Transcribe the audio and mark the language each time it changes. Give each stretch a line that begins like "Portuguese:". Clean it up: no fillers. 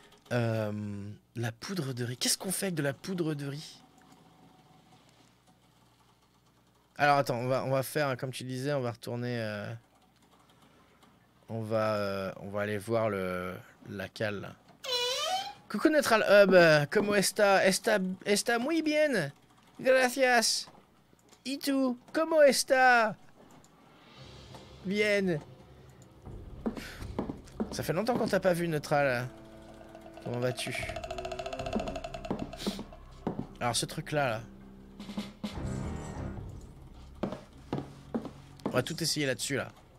French: La poudre de riz. Qu'est-ce qu'on fait avec de la poudre de riz? Alors attends, on va faire, comme tu disais, on va retourner, on va aller voir la cale.
Spanish: Coucou Neutral Hub, como esta, esta muy bien, gracias, y tú, como esta, bien.
French: Ça fait longtemps qu'on t'a pas vu, Neutral, comment vas-tu? Alors ce truc là. On va tout essayer là-dessus, là.